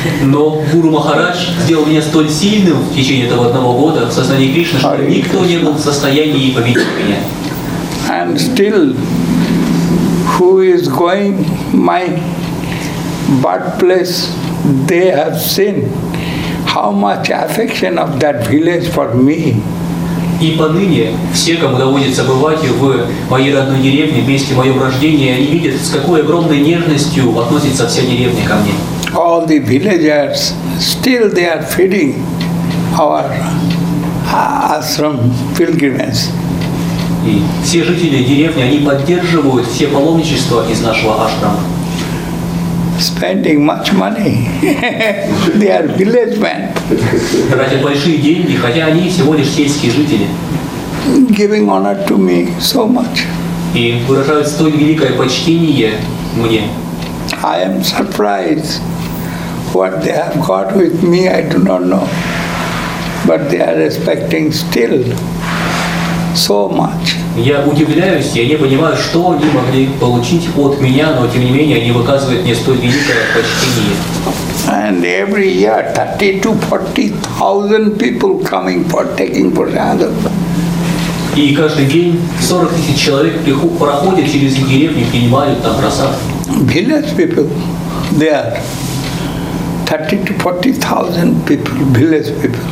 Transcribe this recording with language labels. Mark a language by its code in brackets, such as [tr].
[ru] Но Гуру Махарадж сделал меня столь сильным в течение этого 1 года в сознании Кришны, что никто не был в состоянии победить меня. [en] And still, who is going my birthplace, they have seen how much affection of that village for me. [ru] И поныне все, кому доводится бывать в моей родной деревне, в месте моего рождения, они видят, с какой огромной нежностью относится вся деревня ко мне. [en] All the villagers, still they are feeding our ashram pilgrimage. [ru] И все жители деревни, они поддерживают все паломничества из нашего ашрама. [en] Spending much money. They are village men. [ru] Тратят большие деньги, хотя они всего лишь сельские жители. [en] Giving honor to me so much. [ru] И выражают столь великое почтение мне. [en] I am surprised what they have got with me, I do not know. But they are respecting still so much. [ru] Я удивляюсь, я не понимаю, что они могли получить от меня, но тем не менее они выказывают мне столь великое почтение. [en] And every year 30,000 to 40,000 people coming for taking prasadam. [ru] И каждый день 40,000 человек проходят через деревню и принимают там просад. [en] Village people, they are 30,000 to 40,000 people, village people.